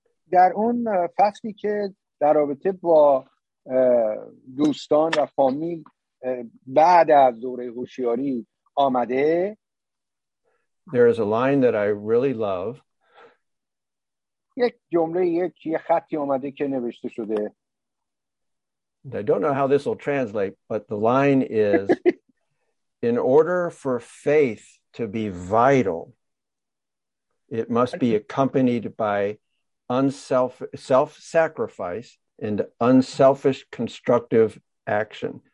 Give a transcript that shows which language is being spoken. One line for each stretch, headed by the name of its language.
Persian: در اون فصلی که در رابطه با دوستان و فامیل بعد از دوره هوشیاری آمده،
English: there is a line that I really love.
Persian: یک جمله، یک خطی اومده که نوشته شده.
English: I don't know how this will translate, but the line is in order for faith to be vital, it must be accompanied by self-sacrifice and unselfish constructive action.